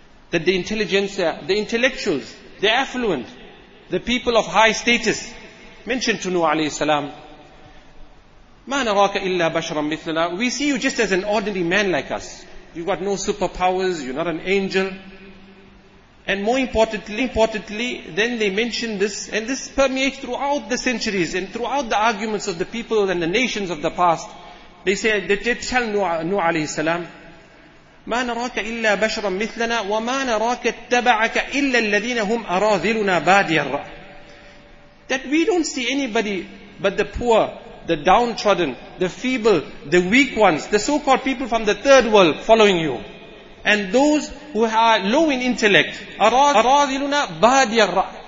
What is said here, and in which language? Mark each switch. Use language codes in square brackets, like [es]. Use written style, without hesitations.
[en] That the intelligentsia, the intellectuals, the affluent, the people of high status, mentioned to Nuh alayhi salam, [ar] مَا نَرَاكَ إِلَّا بَشَرًا مِثْلَنَا. [en] We see you just as an ordinary man like us. You've got no superpowers, you're not an angel. And more importantly, then they mention this, and this permeates throughout the centuries and throughout the arguments of the people and the nations of the past. They say, they tell Nuh alayhi salam, [ar] مَا نَرَاكَ إِلَّا بَشَرًا مِثْلَنَا وَمَا نَرَاكَ اتَّبَعَكَ إِلَّا الَّذِينَ هُمْ أَرَاذِلُنَا بَادِيَ الرَّأِ. [en] That we don't see anybody but the poor, the downtrodden, the feeble, the weak ones, the so-called people from the third world following you. And those who are low in intellect, [ar] أَرَاذِلُنَا بَادِيَ الرَّأِ.